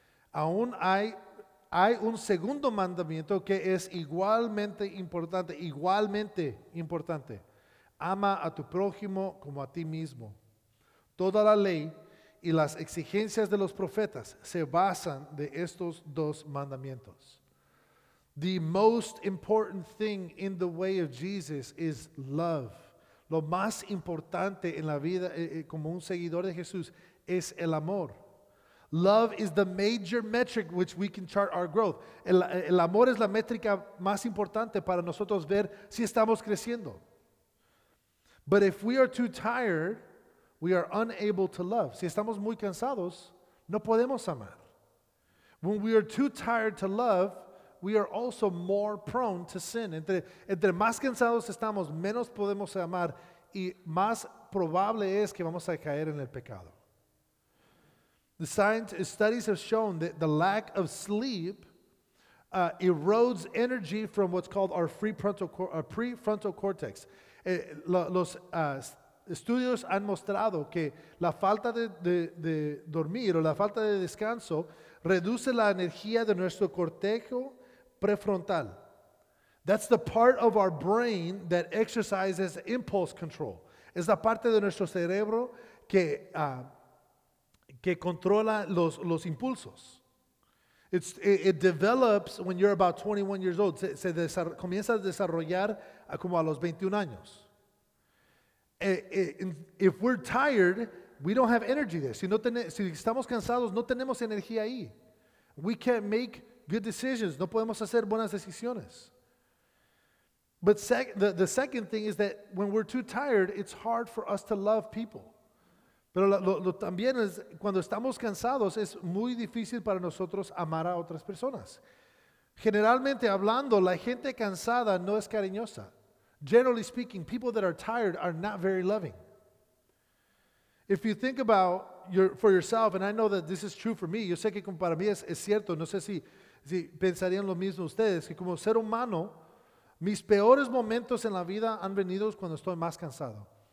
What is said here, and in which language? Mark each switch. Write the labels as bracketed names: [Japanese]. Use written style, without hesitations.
[Spanish] Aún hay un segundo mandamiento que es igualmente importante. Ama a tu prójimo como a ti mismo. Toda la ley y las exigencias de los profetas se basan de estos dos mandamientos." [English] The most important thing in the way of Jesus is love. [Spanish] Lo más importante en la vida como un seguidor de Jesús es el amor. [English] Love is the major metric which we can chart our growth. [Spanish] El amor es la métrica más importante para nosotros ver si estamos creciendo. [English] But if we are too tired, we are unable to love. [Spanish] Si estamos muy cansados, no podemos amar. [English] When we are too tired to love, we are also more prone to sin. [Spanish] Entre más cansados estamos, menos podemos amar y más probable es que vamos a caer en el pecado. [English] The science studies have shown that the lack of sleep erodes energy from what's called our prefrontal cortex. [Spanish] Estudios han mostrado que la falta de dormir o la falta de descanso reduce la energía de nuestro cortejo prefrontal. [English] That's the part of our brain that exercises impulse control. [Spanish] Es la parte de nuestro cerebro que controla los impulsos. [English] It develops when you're about 21 years old. [Spanish] Comienza a desarrollar como a los 21 años. [English] If we're tired, we don't have energy there. [Spanish] Si estamos cansados, no tenemos energía ahí. [English] We can't make good decisions. [Spanish] No podemos hacer buenas decisiones. [English] But the second thing is that when we're too tired, it's hard for us to love people. [Spanish] Pero lo también es cuando estamos cansados, es muy difícil para nosotros amar a otras personas. Generalmente hablando, la gente cansada no es cariñosa. [English] Generally speaking, people that are tired are not very loving. If you think about for yourself, and I know that this is true for me, [Spanish] yo sé que como para mí es cierto, no sé si pensarían lo mismo ustedes, que como ser humano, mis peores momentos en la vida han venido cuando estoy más cansado.